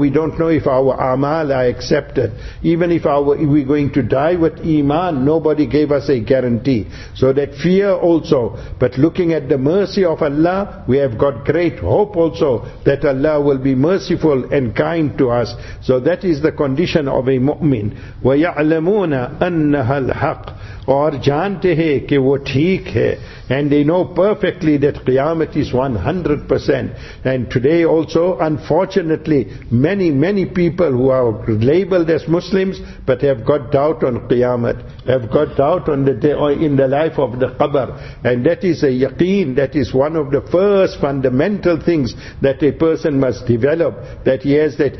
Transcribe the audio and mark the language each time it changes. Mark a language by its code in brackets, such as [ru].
[en] We don't know if our amal are accepted. Even if we're going to die with iman, nobody gave us a guarantee. So that fear also. But looking at the mercy of Allah, we have got great hope also that Allah will be merciful and kind to us. So that is the condition of a mu'min. [ar] وَيَعْلَمُونَ أَنَّهَا الْحَقِّ. [ur] اور جانتے ہیں کہ وہ ٹھیک ہے. [en] And they know perfectly that قیامت is 100%. And today also, unfortunately, many, many people who are labeled as Muslims, but have got doubt on Qiyamah, have got doubt on the day or in the life of the Qabr. And that is a yaqeen, that is one of the first fundamental things that a person must develop, that he has that.